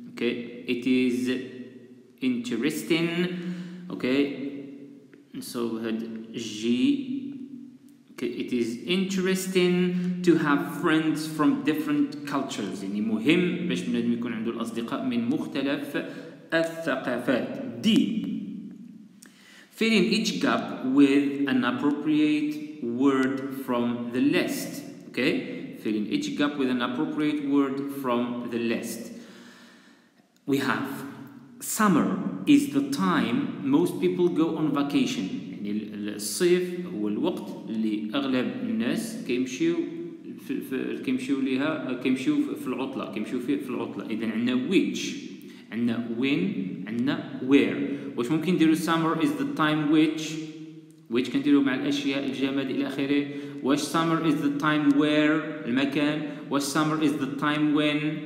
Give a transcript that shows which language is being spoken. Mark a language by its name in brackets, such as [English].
[English] Okay, it is interesting. Okay, so had G. It is interesting to have friends from different cultures. [Arabic] يعني مهم باش بنادم يكون عنده الأصدقاء من مختلف الثقافات. [English] D. Filling each gap with an appropriate word from the list. Okay. Filling each gap with an appropriate word from the list. We have summer is the time most people go on vacation. [Arabic] يعني الصيف هو الوقت اللي اغلب الناس كيمشيو في العطله. اذا عندنا which عندنا when عندنا where واش ممكن نديرو [English] summer is the time which [Arabic] كنديرو مع الاشياء الجامد الى اخره واش [English] summer is the time where [Arabic] المكان واش [English] summer is the time when